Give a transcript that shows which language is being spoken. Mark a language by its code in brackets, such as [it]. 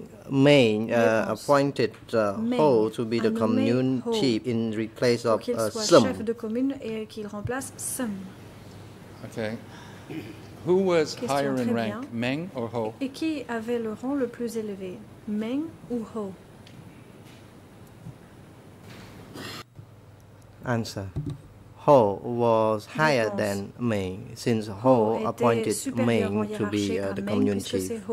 [en] Meng appointed Ho to be the commune chief in replace of Sum. [fr] Chef de commune et qu'il remplace Sum. [en] Okay. Who was higher in rank, Meng or Ho? [fr] Et qui avait le rang le plus élevé, Meng ou Ho? [en] Answer. Ho was higher than Meng, since Ho appointed Meng to be the commune chief.